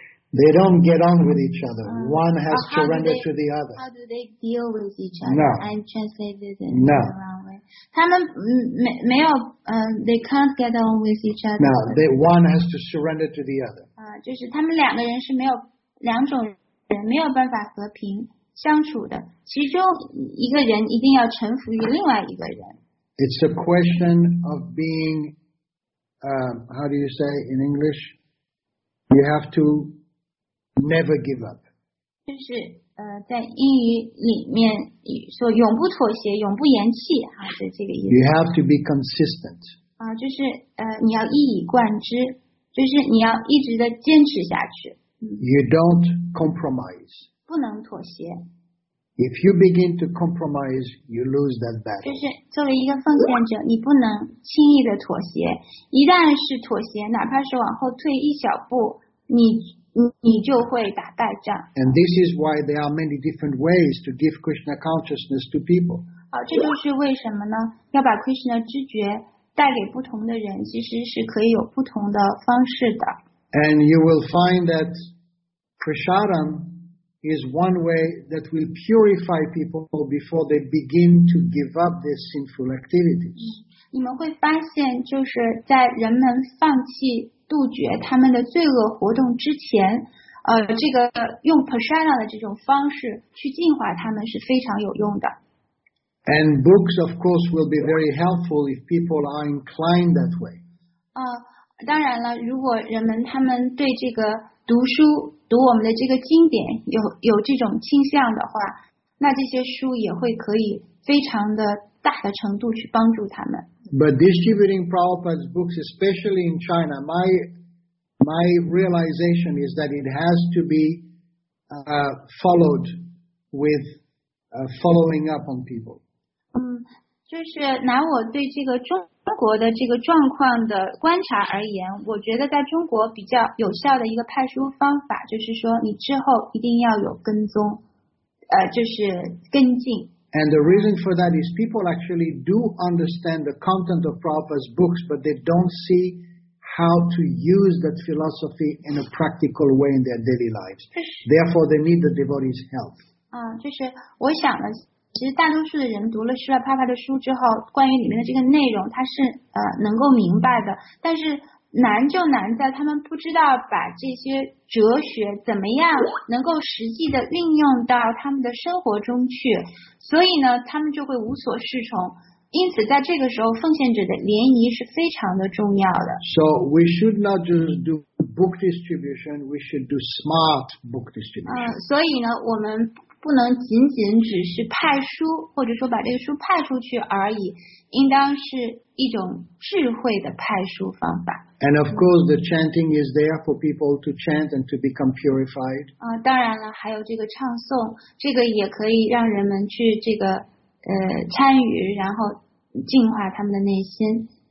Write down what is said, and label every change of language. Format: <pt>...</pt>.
<en>They don't get on with each other. One has surrendered to the other. How do they deal with each other? No. I translated it in the wrong way.</en> <zh>他们没有,</zh> <en>they can't get on with each other. No, they, one has to surrender to the other.</en> <zh>就是他们两个人是没有两种人没有办法和平相处的，其中一个人一定要臣服于另外一个人。</zh> <en>It's a question of being, how do you say in English? You have to never give up.</en> <zh>就是在英语里面说永不妥协，永不言弃啊，是这个意思。</zh> <en>You have to be consistent.</en> <zh>就是你要一以贯之，就是你要一直的坚持下去。</zh> <en>You don't compromise.</en> <zh>不能妥协。</zh> <en>If you begin to compromise, you lose that battle.</en> <zh>就是作为一个奉献者，你不能轻易的妥协。一旦是妥协，哪怕是往后退一小步，你就会打败仗。</zh> <en>And this is why there are many different ways to give Krishna consciousness to people.</en> <zh>好，这就是为什么呢？要把 Krishna 知觉带给不同的人，其实是可以有不同的方式的。</zh> <en>And you will find that prasadam is one way that will purify people before they begin to give up their sinful activities.</en> <zh>你们会发现，就是在人们放弃杜绝他们的罪恶活动之前，这个用 prasadam 的这种方式去净化他们是非常有用的。</zh> <en>And books, of course, will be very helpful if people are inclined that way.</en> <zh>当然了，如果人们他们对这个读书读我们的这个经典有这种倾向的话，那这些书也会可以非常的大的程度去帮助他们。</zh> <en>But distributing Prabhupada's books, especially in China, my realization is that it has to be followed with following up on people.</en> <zh>就是拿我对这个中国的这个状况的观察而言，我觉得在中国比较有效的一个派书方法就是说你之后一定要有跟踪，就是跟进。</zh> <en>And the reason for that is people actually do understand the content of Prabhupada's books, but they don't see how to use that philosophy in a practical way in their daily lives. Therefore they need the devotee's help.</en> <zh>就是我想的，其实大多数的人读了施瓦帕帕的书之后，关于里面的这个内容他是能够明白的，但是难就难在他们不知道把这些哲学怎么样能够实际的运用到他们的生活中去，所以呢他们就会无所适从，因此在这个时候奉献者的联谊是非常的重要的。</zh> <en>So we should not just do book distribution, we should do smart book distribution.</en> <zh>所以呢我们不能仅仅只是派书，或者说把这个书派出去而已，应当是一种智慧的派书方法。</zh> <en>And of course, the chanting is there for people to chant and to become purified.</en> <zh>当然了，还有这个唱诵，这个也可以让人们去这个参与，然后净化他们的内心。</zh>